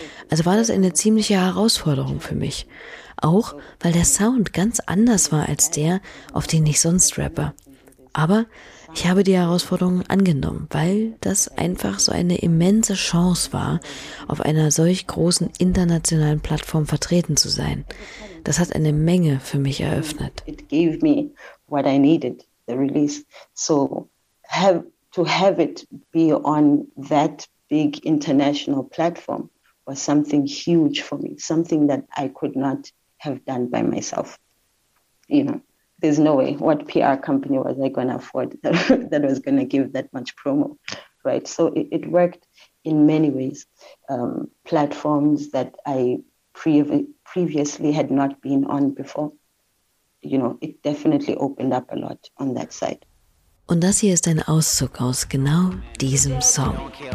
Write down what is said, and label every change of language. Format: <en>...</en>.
<de>Also war das eine ziemliche Herausforderung für mich. Auch, weil der Sound ganz anders war als der, auf den ich sonst rappe. Aber ich habe die Herausforderung angenommen, weil das einfach so eine immense Chance war, auf einer solch großen internationalen Plattform vertreten zu sein. Das hat eine Menge für mich eröffnet.</de> <en>It gave me what I needed, the release. So to have it be on that big international platform was something huge for me, something that I could not have done by myself, you know. There's no way. What PR company was I going to afford that was going to give that much promo, right? So it worked in many ways. Platforms that I previously had not been on before, you know, it definitely opened up a lot on that side.</en> <de>Und das hier ist ein Auszug aus genau diesem Song.</de>